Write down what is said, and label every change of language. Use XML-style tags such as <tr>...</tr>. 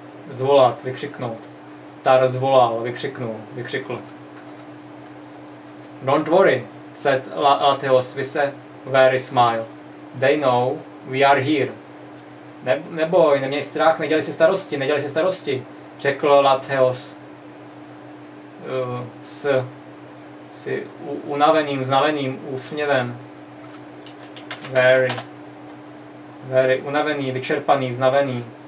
<cs>Zvolat, vykřiknout. Tar zvolal, vykřiknul, vykřikl.</cs> <en>Don't worry, said Latheos with a weary smile. They know we are here.</en> <cs>Neboj, neměj strach, nedělej si starosti, řekl Latheos s unaveným úsměvem.</cs> <en>Very, very</en> <cs>unavený, vyčerpaný, znavený.</cs>